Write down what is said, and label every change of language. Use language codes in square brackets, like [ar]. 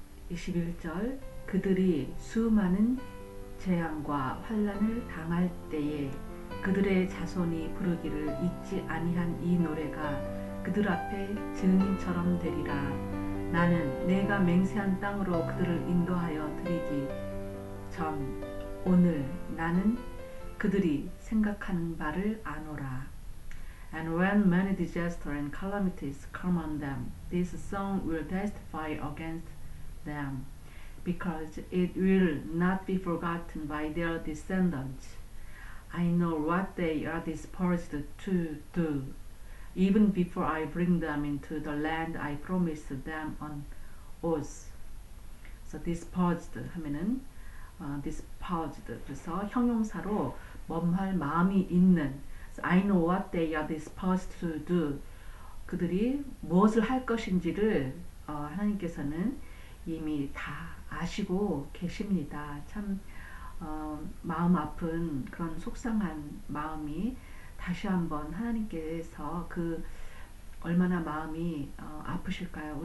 [ko] 21절 그들이 수많은 재앙과 환난을 당할 때에 그들의 자손이 부르기를 잊지 아니한 이 노래가 그들 앞에 증인처럼 되리라. 나는 내가 맹세한 땅으로 그들을 인도하여 드리기 전 오늘 나는 그들이 생각하는 바를 아노라. [en] And when many disaster and calamities come on them, this song will testify against them, because it will not be forgotten by their descendants. I know what they are disposed to do, even before I bring them into the land I promised them on oath. So disposed [ko] 하면은 disposed 그래서 형용사로 멈할 마음이 있는. [en] I know what they are disposed to do. [ko] 그들이 무엇을 할 것인지를 하나님께서는 이미 다 아시고 계십니다. 참 마음 아픈 그런 속상한 마음이 다시 한번 하나님께서 그 얼마나 마음이 아프실까요?